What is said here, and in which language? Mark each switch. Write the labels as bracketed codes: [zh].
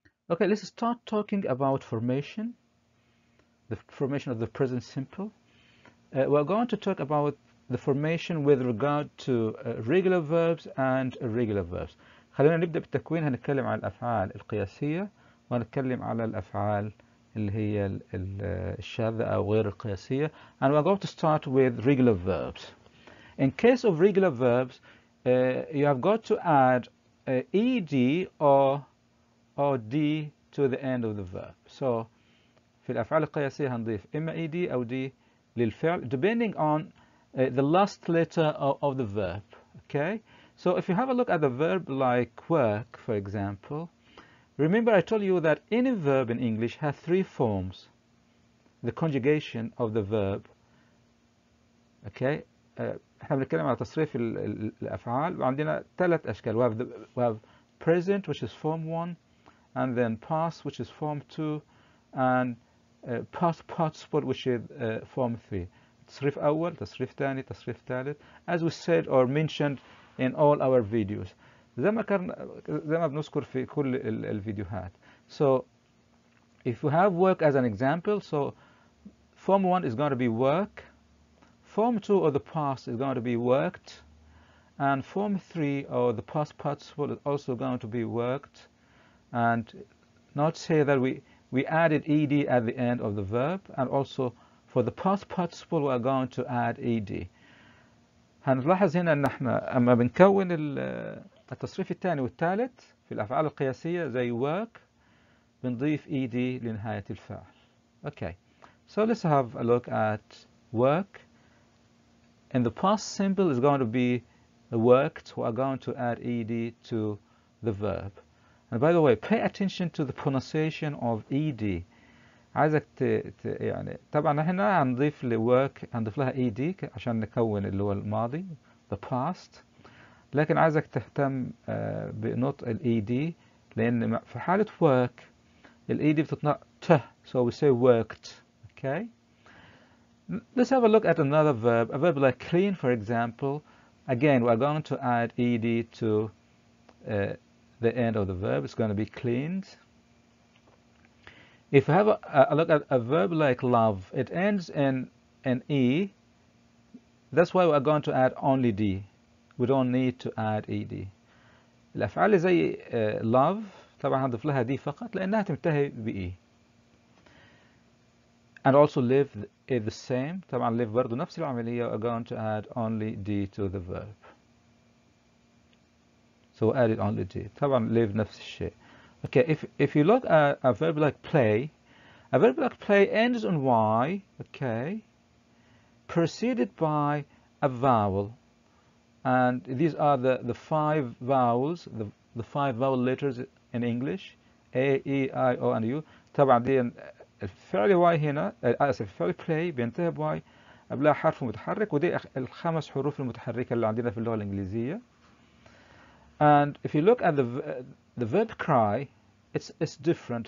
[en] Okay, let's start talking about formation. The formation of the present simple. We're going to talk about the formation with regard to regular verbs and irregular verbs. [ar] خلينا نبدأ بالتكوين. هنتكلم عن الأفعال القياسية وهنتكلم على الأفعال اللي هي الشاذة أو غير القياسية. [en] And we're going to start with regular verbs. In case of regular verbs, you have got to add ed or d to the end of the verb. So [ar] في الأفعال القياسية هنضيف إما [en] ed أو d [ar] للفعل [en] depending on the last letter of the verb. Okay, so if you have a look at the verb like work for example, remember I told you that any verb in English has three forms, the conjugation of the verb. [ar] Okay, احنا بنتكلم على تصريف الأفعال وعندنا ثلاث أشكال. [en] We have present which is form 1 and then past which is form 2 and past participle which is form 3. [ar] تصريف أول, تصريف ثاني, تصريف ثالث. [en] As we said or mentioned in all our videos. [ar] زي ما بنذكر في كل الفيديوهات. [en] So if we have work as an example, so form 1 is going to be work. Form 2 or the past is going to be worked. And form 3 or the past participle is also going to be worked. And not say that we added ed at the end of the verb, and also for the past participle we are going to add ed. [ar] هنلاحظ هنا ان احنا اما بنكون التصريف الثاني والثالث في الافعال القياسيه زي work بنضيف ed لنهايه الفعل. [en] Okay, so let's have a look at work. In the past simple is going to be worked, we are going to add ed to the verb. And by the way, pay attention to the pronunciation of ed. [ar] عايزك يعني طبعا احنا هنضيف ل work هنضيف لها ed عشان نكون اللي هو الماضي [en] the past, [ar] لكن عايزك تهتم بنطق ال ed لان في حالة work ال ed بتطلع ت, [en] so we say worked. Okay, let's have a look at another verb, a verb like clean for example. Again we are going to add ed to the end of the verb, is going to be cleaned. If you have a look at a verb like love, it ends in an E, That's why we are going to add only D. We don't need to add ED. [ar] الأفعال زي love طبعا هنضيف لها D فقط لأنها تنتهي بE. [en] And also live is the same. [ar] طبعا live برضو نفس العملية. [en] We are going to add only D to the verb. So we added only D. [ar] طبعا live نفس الشيء. [en] Okay, if you look at a verb like play, a verb like play ends on Y, okay, preceded by a vowel. And these are the five vowels, the five vowel letters in English, A, E, I, O, and U. [ar] طبعا دي الفعل Y هنا, آسف, الفعل play بينتهي بY, قبلها حرف متحرك, ودي الخمس حروف المتحركة اللي عندنا في اللغة الإنجليزية. [en] And if you look at the verb cry, it's different.